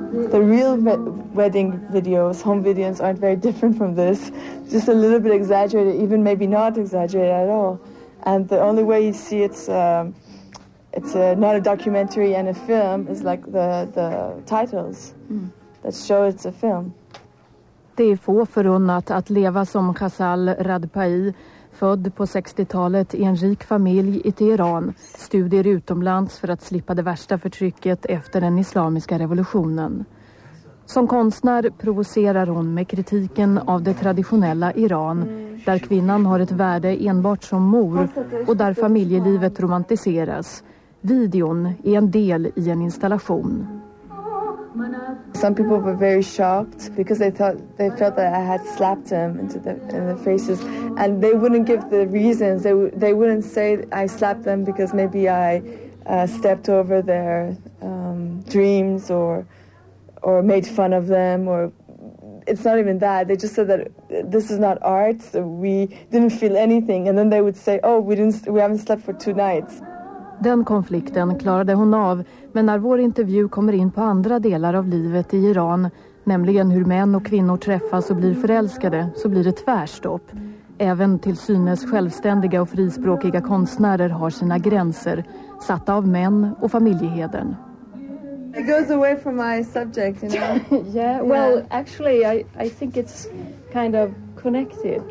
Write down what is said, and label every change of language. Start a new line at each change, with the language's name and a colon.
English: The real wedding videos, home videos, aren't very different from this. Just a little bit exaggerated, even maybe not exaggerated at all. And the only way you see it's not a documentary and a film is like the titles that show it's a film.
Swedish: Det är få förunnat att leva som Ghazal Radpai, född på 60-talet i en rik familj i Teheran, studier utomlands för att slippa det värsta förtrycket efter den islamiska revolutionen. Som konstnär provocerar hon med kritiken av det traditionella Iran, där kvinnan har ett värde enbart som mor och där familjelivet romantiseras. Videon är en del i en installation.
English: Some people were very shocked because they felt that I had slapped them in the faces, and they wouldn't give the reasons. They wouldn't say I slapped them because maybe I stepped over their dreams or made fun of them, or it's not even that. They just said that this is not art. So we didn't feel anything, and then they would say, "Oh, we haven't slept for 2 nights."
Swedish: Den konflikten klarade hon av, men när vår intervju kommer in på andra delar av livet i Iran, nämligen hur män och kvinnor träffas och blir förälskade, så blir det tvärstopp. Även till synes självständiga och frispråkiga konstnärer har sina gränser, satta av män och familjeheden.
English: It goes away from my subject, you know. Yeah, well, actually, I think it's kind of connected.